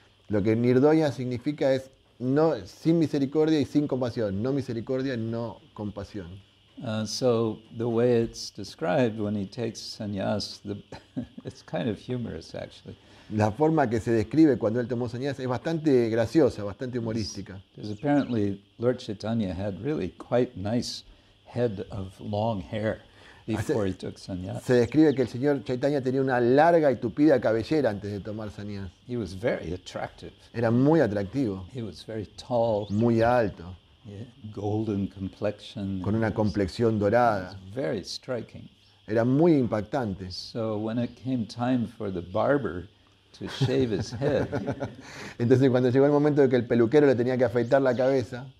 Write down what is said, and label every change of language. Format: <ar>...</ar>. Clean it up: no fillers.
<es>Lo que Nirdoya significa es no, sin misericordia y sin compasión. No misericordia, no compasión.</es> <en>So the way it's described when he takes sannyas, it's kind of humorous actually.</en> <es>La forma que se describe cuando él tomó sannyas es bastante graciosa, bastante humorística.</es> <en>Because apparently Lord Chaitanya had really quite nice head of long hair before he took sannyas.</en> <es>Se describe que el señor Chaitanya tenía una larga y tupida cabellera antes de tomar sannyas.</es> <en>He was very attractive.</en> <es>Era muy atractivo.</es> <en>He was very tall.</en> <es>Muy alto.</es> <en>golden complexion.</en> <es>Con una complexión dorada.</es> <en>Very striking.</en> <es>Era muy impactante.</es> <en>So when it came time for the barber to shave his head.</en> <es>Entonces cuando llegó el momento de que el peluquero le tenía que afeitar la cabeza,</es>